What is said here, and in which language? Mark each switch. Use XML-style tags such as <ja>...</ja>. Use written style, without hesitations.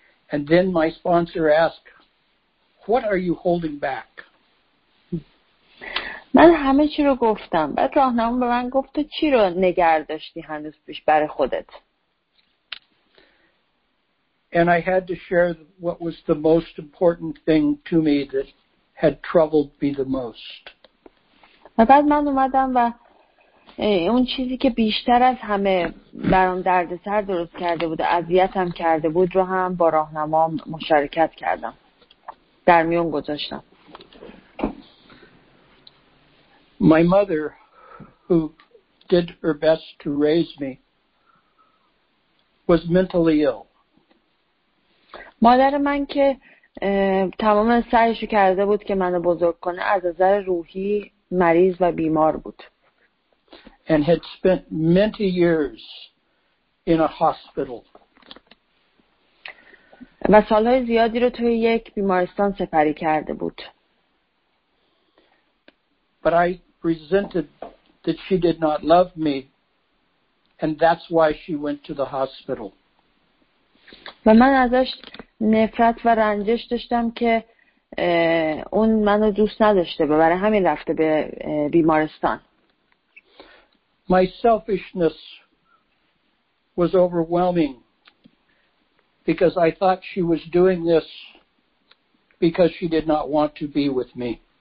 <en>And then my sponsor asked, "What are you holding back?"</en> <fa>من همه چی رو گفتم. بعد راهنمون به من گفت تو چی رو نگرداشتی هنوز پیش برای خودت.</fa> <en>And I had to share what was the most important thing to me that had troubled me the most.</en> <fa>و بعد من اومدم و اون چیزی که بیشتر از همه برام دردسر درست کرده بود و اذیتم کرده بود رو هم با راهنمام مشارکت کردم. در میون گذاشتم.</fa> <en>My mother, who did her best to raise me, was mentally ill.</en> <fa>مادر من که تمام سعیشو کرده بود که منو بزرگ کنه از نظر روحی مریض و بیمار بود.</fa> <en>And had spent many years in a hospital.</en> <fa>و سالهای زیادی رو توی یک بیمارستان سپری کرده بود.</fa> <en>But I resented that she did not love me, and that's why she went to the hospital.</en> <fa>و من ازش نفرت و رنجش داشتم که اون منو دوست نداشته و برای همین رفته به بیمارستان.</fa> <en>My selfishness was overwhelming because I thought she was doing this because she did not want to be with me.</en>